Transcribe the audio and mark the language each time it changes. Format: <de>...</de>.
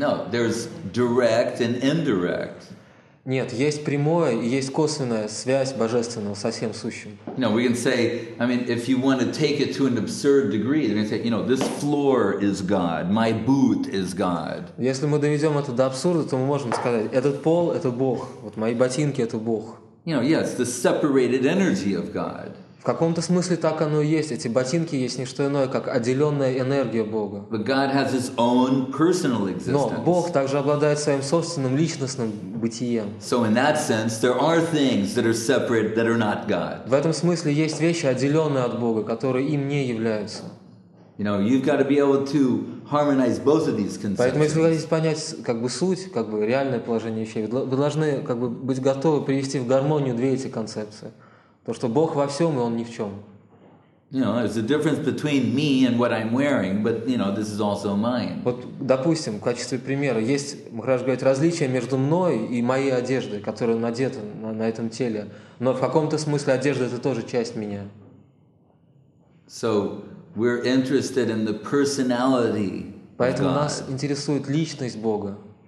<en>There's direct and indirect.</en> <ru>Нет, есть прямое и есть косвенная связь божественного со всем сущим.</ru> <en>No, we can say, I mean, if you want to take it to an absurd degree, they can say, you know, this floor is God, my boot is God.</en> <ru>Если мы доведем это до абсурда, то мы можем сказать, этот пол – это Бог, вот мои ботинки – это Бог.</ru> <en>You know, yes, the separated energy of God.</en> <ru>В каком-то смысле так оно и есть. Эти ботинки есть не что иное, как отделенная энергия Бога.</ru> <en>But God has his own personal existence.</en> <ru>Но Бог также обладает своим собственным личностным бытием.</ru> <en>So in that sense, there are things that are separate, that are not God.</en> <ru>В этом смысле есть вещи, отделенные от Бога, которые им не являются.</ru> <en>You know, you've got to be able to harmonize both of these concepts.</en> <ru>Поэтому, если вы хотите понять, как бы, суть, как бы, реальное положение вещей, вы должны, как бы, быть готовы привести в гармонию две эти концепции. То, что Бог во всем, и Он ни в чем.</ru> <en>You know, there's a difference between me and what I'm wearing, but, you know, this is also mine.</en> <ru>Вот, допустим, в качестве примера, есть, Махарадж говорит, различие между мной и моей одеждой, которая надета на этом теле. Но в каком-то смысле одежда – это тоже часть меня.</ru> <en>So, we're interested in the personality of God.</en> <ru>Поэтому нас интересует личность Бога.</ru>